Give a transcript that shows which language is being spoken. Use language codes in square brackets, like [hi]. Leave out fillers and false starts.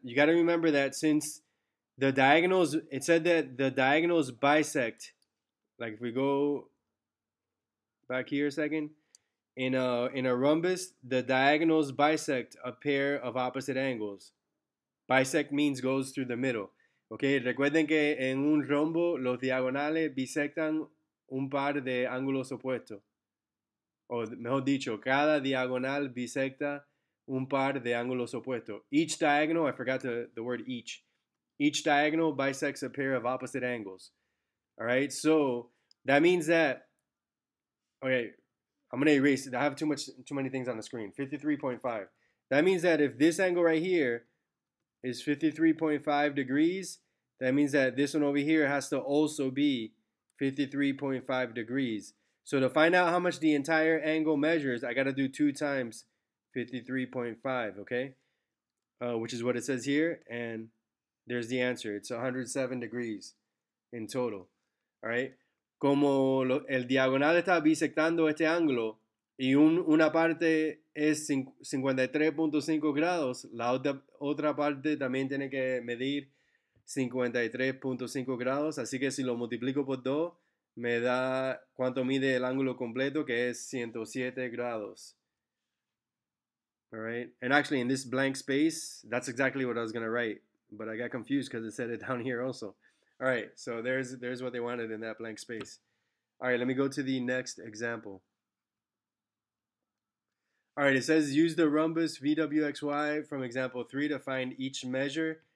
[en] You got to remember that since the diagonals, it said that the diagonals bisect, like if we go back here a second, in a rhombus, the diagonals bisect a pair of opposite angles. Bisect means goes through the middle. [es] Okay, recuerden que en un rombo, los diagonales bisectan un par de ángulos opuestos. O mejor dicho, cada diagonal bisecta un par de ángulos opuestos. [en] Each diagonal, I forgot the word each. Each diagonal bisects a pair of opposite angles. All right, so that means that, okay, I'm going to erase it. I have too many things on the screen. 53.5. That means that if this angle right here is 53.5 degrees, that means that this one over here has to also be 53.5 degrees. So to find out how much the entire angle measures, I got to do 2 times 53.5, okay? Which is what it says here, and there's the answer. It's 107 degrees in total, all right? [es] Como el diagonal está bisectando este ángulo, y una parte es 53.5 grados, la otra parte también tiene que medir 53.5 grados, así que si lo multiplico por 2, me da cuánto mide el ángulo completo, que es 107 grados. [en] All right, and actually in this blank space, that's exactly what I was going to write, but I got confused because it said it down here also. All right, so there's what they wanted in that blank space. All right, let me go to the next example. All right, it says use the rhombus VWXY from example 3 to find each measure.